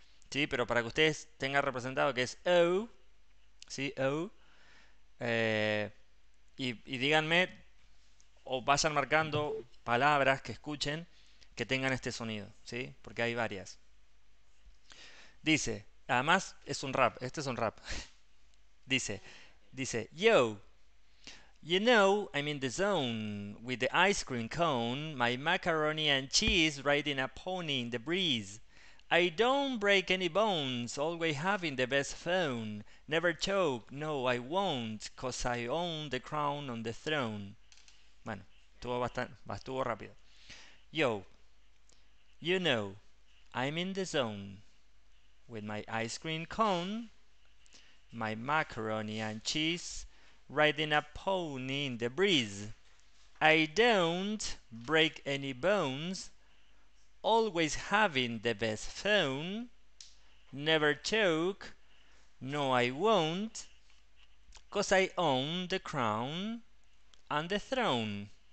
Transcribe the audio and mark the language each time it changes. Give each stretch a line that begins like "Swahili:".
Spanish: Sí, pero para que ustedes tengan representado que es O, sí, O, y díganme o vayan marcando palabras que escuchen que tengan este sonido, ¿sí? Porque hay varias. Dice, además es un rap, este es un rap. Dice,
English: yo, you know I'm in the zone with the ice cream cone, my macaroni and cheese riding a pony in the breeze. I don't break any bones, always having the best phone. Never choke, no, I won't, cause I own the crown on the throne.
Spanish: Bueno, estuvo bastante, estuvo rápido.
English: Yo, you know, I'm in the zone with my ice cream cone, my macaroni and cheese, riding a pony in the breeze. I don't break any bones. Always having the best phone, never choke, no I won't, cause I own the crown and the throne.